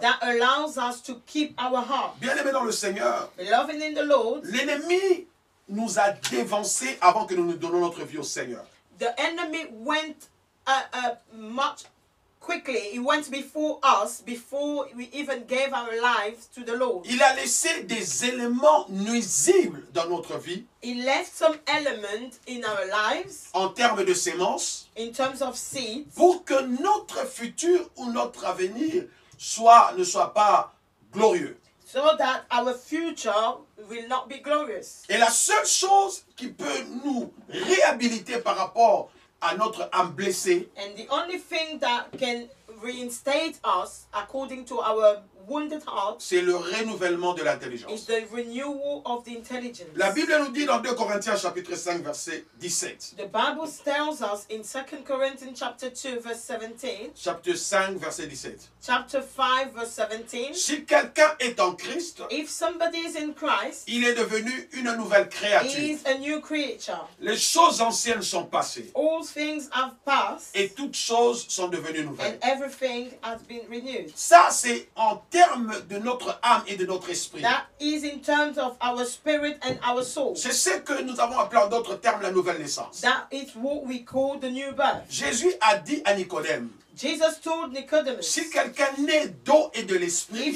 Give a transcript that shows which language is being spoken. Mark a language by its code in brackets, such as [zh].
[en] That allows us to keep our heart. [fr] Bien-aimés dans le Seigneur. [en] Loving in the Lord. [fr] L'ennemi nous a dévancés avant que nous ne donnions notre vie au Seigneur. [en] The enemy went much quickly, he went before us, before we even gave our lives to the Lord. [fr] Il a laissé des éléments nuisibles dans notre vie. [en] He left some element in our lives. [fr] En termes de semences. [en] In terms of seeds. [fr] Pour que notre futur ou notre avenir soit, ne soit pas glorieux. [en] So that our future will not be glorious. [fr] Et la seule chose qui peut nous réhabiliter par rapport à notre âme blessée. [en] And the only thing that can reinstate us according to our wounded heart, [fr] c'est le renouvellement de l'intelligence. [en] Is the renewal of the intelligence. [fr] La Bible nous dit dans 2 Corinthiens chapitre 5 verset 17. [en] The Bible tells us in 2 Corinthians chapter 2 verse 17. [fr] Chapitre 5 verset 17. [en] Chapter 5 verse 17. [fr] Si quelqu'un est en Christ, [en] if somebody is in Christ, [fr] il est devenu une nouvelle créature. [en] He is a new creature. [fr] Les choses anciennes sont passées. [en] All things have passed. [fr] Et toutes choses sont devenues nouvelles. [en] And everything has been renewed. [fr] Ça c'est en terme de notre âme et de notre esprit. [en] That is in terms of our spirit and our soul. [fr] C'est ce que nous avons appelé en d'autres termes la nouvelle naissance. [en] That is what we call the new birth. [fr] Jésus a dit à Nicodème. [en] Jesus told Nicodemus. [fr] Si quelqu'un naît d'eau et de l'esprit.